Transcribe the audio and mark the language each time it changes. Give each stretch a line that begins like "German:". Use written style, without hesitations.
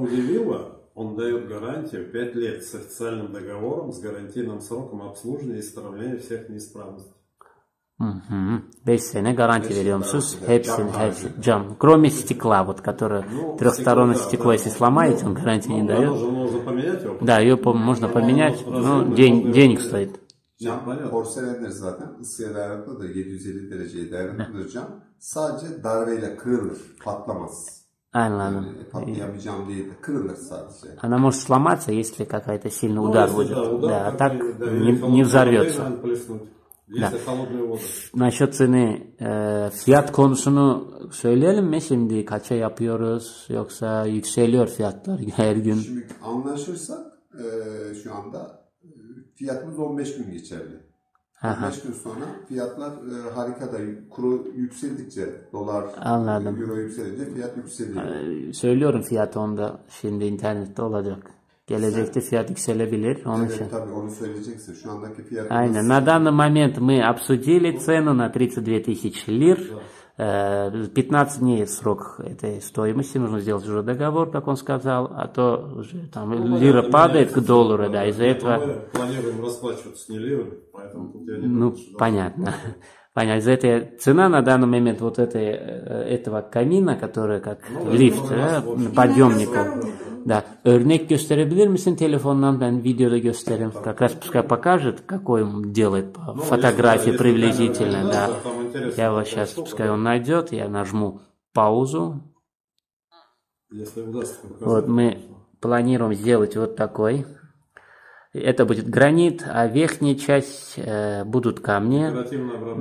Russian: Меня удивило, он дает гарантию 5 лет с официальным договором, с гарантийным сроком обслуживания и исправления всех неисправностей. 5 стен, гарантия берёмся, хепсин, хепсин, джам. Кроме стекла, вот, которое трёхстороннее стекло, если сломаете, он гарантии не даёт. Его можно поменять, его? Да, её можно поменять, но денег стоит.
Turkish: Cam var ya. Porselenler zaten ısı ayarında da 750 dereceye dayanıklıdır cam. Sadece darbeyle kırılır, patlamaz. Anladım. Patlayamayacağım diye de kırılır sadece.
Russian: Она может сломаться, если какая-то сильный удар будет. Да, а так не взорвется. Да. Если холодная вода. Насчет цены,
Turkish: фиат konusunu söyleyelim mi şimdi? Kaça yapıyoruz? Yoksa yükseliyor fiyatlar her gün? Şimdi anlaşırsak şu anda fiyatımız 15 gün geçerli. Aha. 15 gün sonra fiyatlar harikada kuru yükseldikçe dolar, anladım. Euro yükselince fiyat yükseliyor. Söylüyorum fiyatı onda şimdi internette olacak. Gelecekte fiyat yükselebilir. Onun evet için. Tabii onu söyleyeceksin. Şu andaki fiyatımız... Aynen.
Russian: На данный момент мы обсудили цену на 32 тысячи лир. 15 дней срок этой стоимости, нужно сделать уже договор, как он сказал, а то уже там лира падает к доллару, да, из-за этого... Планируем расплачиваться не лирами, поэтому... Ну, понятно. Понятно, из-за этой цена на данный момент вот этой, этого камина, который как лифт, подъемник. Да.
Turkish: Örnek gösterebilir misin telefondan? Ben videoda gösteririm.
Russian: Как раз пускай покажет, какой он делает по фотографии приблизительно. Да. Я вас сейчас, пускай он найдет, я нажму паузу. Вот мы планируем сделать вот такой. Это будет гранит, а верхняя часть будут камни.